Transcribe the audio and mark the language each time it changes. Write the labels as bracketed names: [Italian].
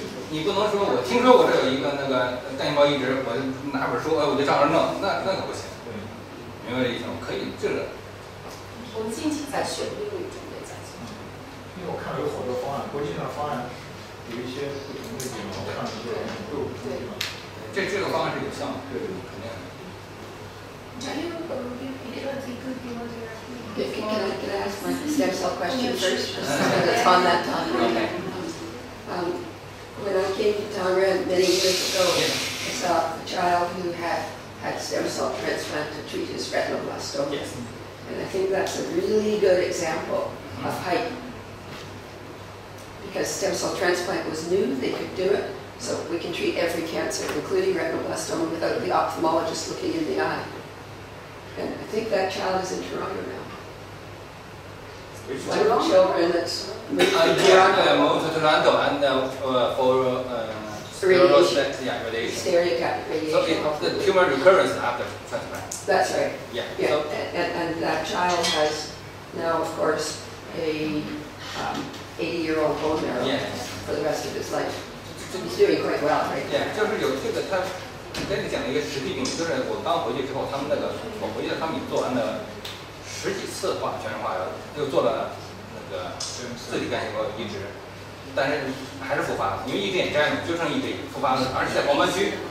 [Chinese] 你不能说我听说我这有一个那个干细胞移植，我拿本书，哎，我就照着弄，那可不行。对，明白这意思吗？可以，这个。我们近期在选用准备在做。因为我看了有好多方案，国际上方案有一些不同的地方，我看了一些都有不同的地方。这个方案是有效的，对，肯定。 [English] Can I ask my stem cell question first? It's on that topic. When I came to Tonga many years ago, I saw a child who had stem cell transplant to treat his retinoblastoma. Yes. And I think that's a really good example of hype. Because stem cell transplant was new, they could do it. So we can treat every cancer, including retinoblastoma, without the ophthalmologist looking in the eye. And I think that child is in Toronto now. Which one? Children that's moved to Toronto and for radiation. Stereotactic radiation. So the tumor recurrence after transplant. That's right. Yeah. Yeah. So. And that child has now, of course, a 80-year-old bone marrow for the rest of his life. He's doing quite well, right? Yeah. Just this. [Chinese] 跟你讲了一个实际病例，就是我刚回去之后，他们那个我回去他们已经做完了十几次化全身化疗，又做了那个自体干细胞移植，但是还是复发，因为一只眼摘了，就剩一只复发了，而且在黄斑区，